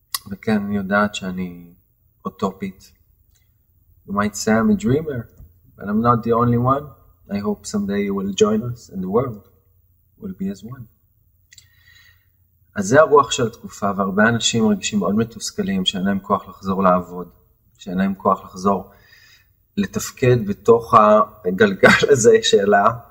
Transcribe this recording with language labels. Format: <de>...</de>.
<he>וכן, אני יודעת שאני אוטופית.</he> <en>You might say I'm a dreamer, but I'm not the only one. I hope someday you will join us and the world will be as one.</en> <he>אז זה הרוח של התקופה, והרבה אנשים מרגישים מאוד מתוסכלים, שאין להם כוח לחזור לעבוד, שאין להם כוח לחזור לתפקד בתוך הגלגל הזה שאלה.</he>